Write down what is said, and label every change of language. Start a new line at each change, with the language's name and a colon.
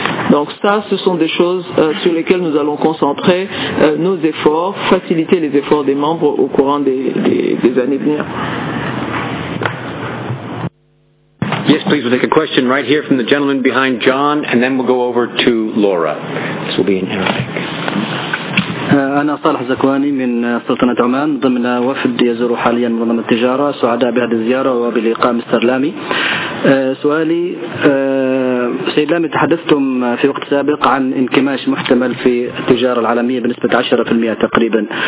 French: Donc ça, ce sont des choses sur lesquelles nous allons concentrer nos efforts, faciliter les efforts des membres au courant des années à venir.
English: Yes, please, we'll take a question right here from the gentleman behind John, and then we'll go over to Laura. This will be in Arabic.
Arabic: أنا صالح زكواني من سلطنة عمان ضمن وفد يزور حاليا منظمة التجارة سعداء بهذه الزيارة وبلقاء مستر لامي سؤالي سيد لامي تحدثتم في وقت سابق عن انكماش محتمل في التجارة العالمية بنسبة 10% تقريبا.